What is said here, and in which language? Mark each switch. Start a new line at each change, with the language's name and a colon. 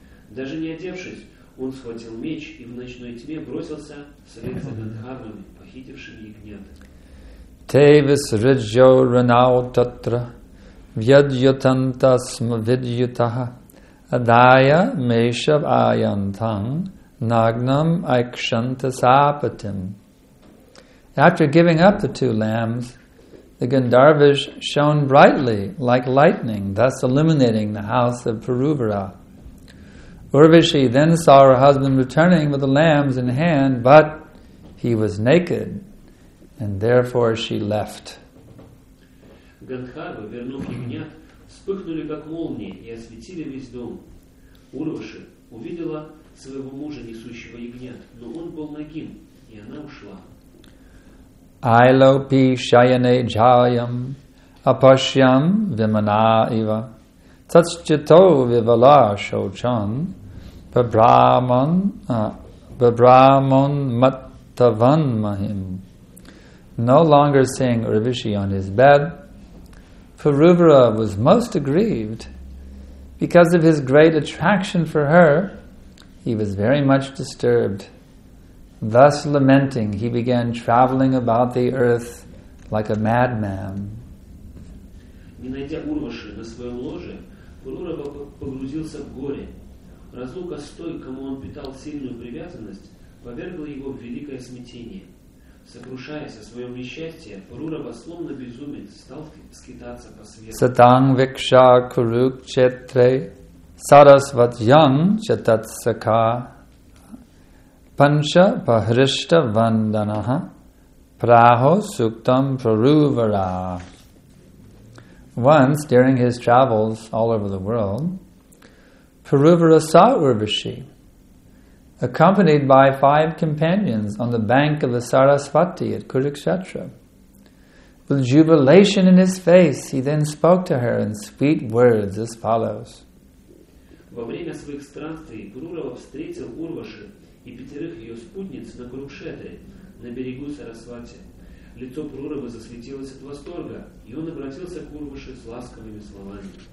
Russian: Даже не одевшись, он схватил меч и в ночной тьме бросился вслед за гандхарвами, похитившими ягнят.
Sanskrit: Тевис риджо ранау татра вьядьютанта смвидьютаха адая мешав аянтан нагнам айкшантасапатим.
English: After giving up the two lambs, the Gandharvas shone brightly like lightning, thus illuminating the house of Puruvara. Urvashi then saw her husband returning with the lambs in hand, but he was naked, and therefore she left.
Russian: Гандхарвы, вернув ягнят, вспыхнули как молнии и осветили весь дом. Урваши увидела своего мужа, несущего ягнят, но он был нагим, и она ушла.
Sanskrit: Ailopi shayane jayam apashyam vimana iva tatschito vivala shochan babrahman mattavan mahim.
English: No longer seeing Urvashi on his bed, Puruvara was most aggrieved. Because of his great attraction for her, he was very much disturbed. Thus lamenting, he began traveling about the earth like a madman.
Russian: Не найдя Урваши на своем ложе, Пурурава погрузился в горе. Разлука с той, кому он питал сильную привязанность, повергла его в великое смятение. Сокрушаясь о своем несчастье, Пурурава, словно безумец, стал скитаться по свету.
Sanskrit: Сатанг викша курукчетре Sarasvatyam chatatsaka pancha pahrishta vandanaha praho suktam praruvara.
English: Once, during his travels all over the world, Puruvara saw Urvashi, accompanied by five companions on the bank of the Sarasvati at Kurukshetra. With jubilation in his face, he then spoke to her in sweet words as follows.
Russian: Во время своих странствий Пурурава встретил Урваши и пятерых ее спутниц на Курукшетре, на берегу Сарасвати. Лицо Пурурава засветилось от восторга, и он обратился к Урваши с ласковыми словами.